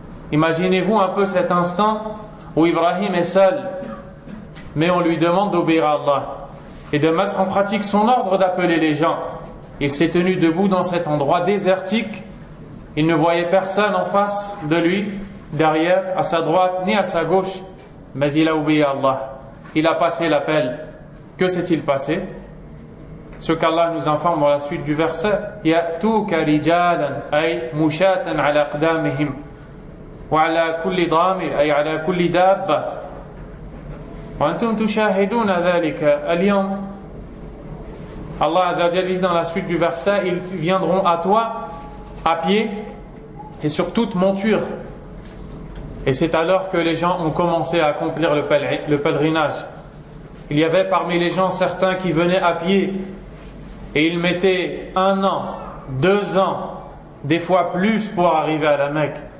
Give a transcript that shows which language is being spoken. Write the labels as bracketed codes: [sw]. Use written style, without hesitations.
[fr] Imaginez-vous un peu cet instant où Ibrahim est seul, mais on lui demande d'obéir à Allah et de mettre en pratique son ordre d'appeler les gens. Il s'est tenu debout dans cet endroit désertique. Il ne voyait personne en face de lui, derrière, à sa droite, ni à sa gauche, mais il a obéi à Allah. Il a passé l'appel. Que s'est-il passé? Ce qu'Allah nous informe dans la suite du verset: [ar] يَأْتُوكَ رِجَالًا أي مُشَاتًا عَلَى قْدَامِهِمْ وَعَلَى كُلِّ ضَامِرٍ أي عَلَى كُلِّ دَابَّةٍ وَأَنْتُمْ تُشَاهِدُونَ ذَلِكَ الْيَوْمِ. [fr] Allah Azzawajal dit dans la suite du verset, ils viendront à toi à pied et sur toute monture. Et c'est alors que les gens ont commencé à accomplir le pèlerinage. Il y avait parmi les gens certains qui venaient à pied et ils mettaient un an, deux ans, des fois plus pour arriver à la Mecque.